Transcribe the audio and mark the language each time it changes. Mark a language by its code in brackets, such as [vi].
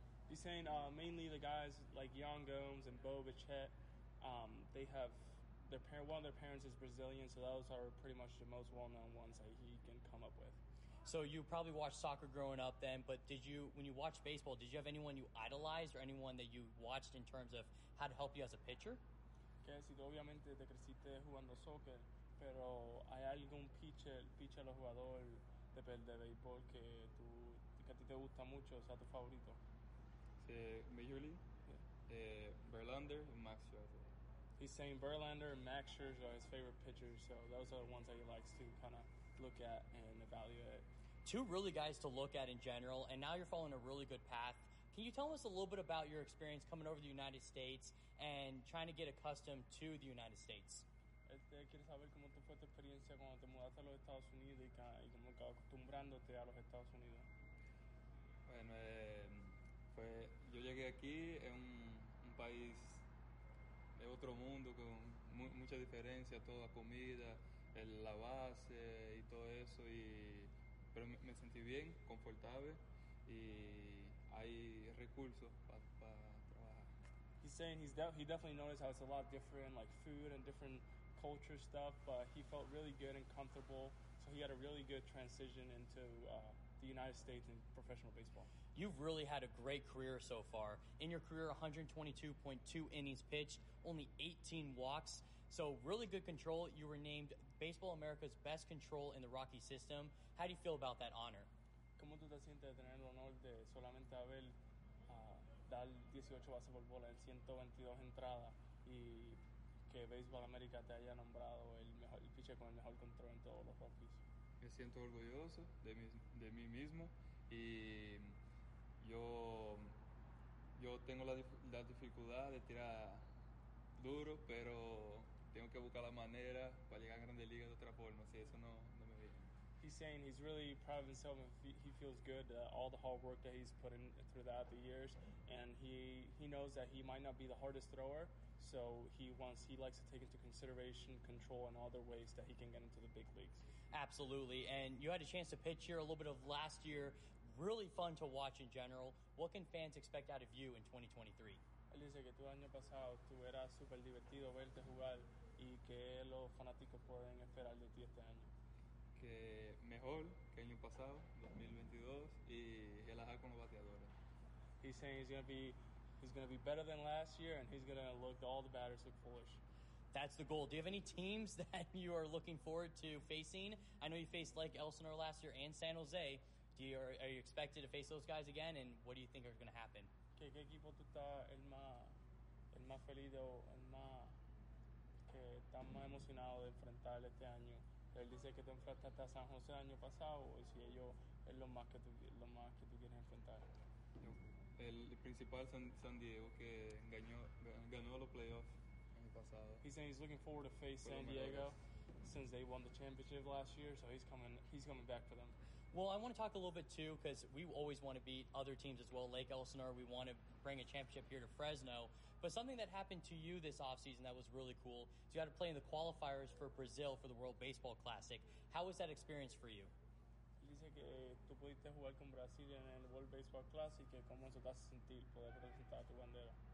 [en] He's saying mainly the guys like Ian Gomes and Bobby Che, they have one of their parents is Brazilian, so those are pretty much the most well-known ones that he can come up with. So you probably watched soccer growing up then, but when you watched baseball, did you have anyone you idolized or anyone that you watched in terms of how to help you as a pitcher? [es] Que si obviamente te creciste jugando soccer, pero hay algún pitcher o jugador de béisbol que a ti te gusta mucho, o sea, tu favorito. Sí, Major League, Verlander y Max Scherzer. [en] He's saying Verlander and Max Scherzer are his favorite pitchers, so those are the ones that he likes to kind of look at and evaluate. Two really guys to look at in general, and now you're following a really good path. Can you tell us a little bit about your experience coming over to the United States and trying to get accustomed to the United States? [es] ¿Quieres saber cómo te fue tu experiencia cuando te mudaste a los Estados Unidos y cómo acostumbrándote a los Estados Unidos? Bueno, pues yo llegué aquí en un país... Es otro mundo con mucha diferencia, toda comida, la base y todo eso. Pero me sentí bien, confortable, y hay recursos para trabajar. [en] He's saying he definitely noticed how it's a lot different, like food and different culture stuff, but he felt really good and comfortable, so he had a really good transition into the United States in professional baseball. You've really had a great career so far. In your career, 122.2 innings pitched, only 18 walks. So really good control. You were named Baseball America's best control in the Rocky system. How do you feel about that honor? [es] ¿Cómo tú te sientes de tener el honor de solamente haber dar 18 bases por bola en 122 entradas y que Baseball America te haya nombrado el pitcher con el mejor control en todos los Rockies? Me siento orgulloso de mí mismo y yo tengo la dificultad de tirar duro, pero tengo que buscar la manera para llegar a Grandes Ligas de otra forma, si eso no me viene. [en] He's saying he's really proud of himself and he feels good all the hard work that he's put in throughout the years, and he knows that he might not be the hardest thrower, so he likes to take into consideration control and other ways that he can get into the big leagues. Absolutely. And you had a chance to pitch here a little bit of last year, really fun to watch in general. What can fans expect out of you in 2023? [es] Él dice que tu año pasado tu eras super divertido verte jugar y que los fanáticos pueden esperar de ti este año. Que mejor que año pasado, 2022, y relajar con los bateadores. [en] He's saying he's gonna be better than last year, and he's gonna look all the batters look foolish. That's the goal. Do you have any teams that you are looking forward to facing? I know you faced like Elsinore last year and San Jose. Are you expected to face those guys again? And what do you think are gonna happen? [es] ¿Qué equipo tú estás el más feliz o el más que estás más emocionado de enfrentar este año? Él dice que te enfrentaste a San José el año pasado, y si ellos es lo más que tú quieres enfrentar. El principal San Diego, que ganó los playoffs el año pasado. [en] He's saying he's looking forward to face San Diego since they won the championship last year, so he's coming back for them. Well, I want to talk a little bit too, because we always want to beat other teams as well. Lake Elsinore, we want to bring a championship here to Fresno. But something that happened to you this offseason that was really cool, so you had to play in the qualifiers for Brazil for the World Baseball Classic. How was that experience for you? He said [es] que tú pudiste jugar con Brasil en el World Baseball Classic, que cómo eso te hace sentir poder presentar tu bandera.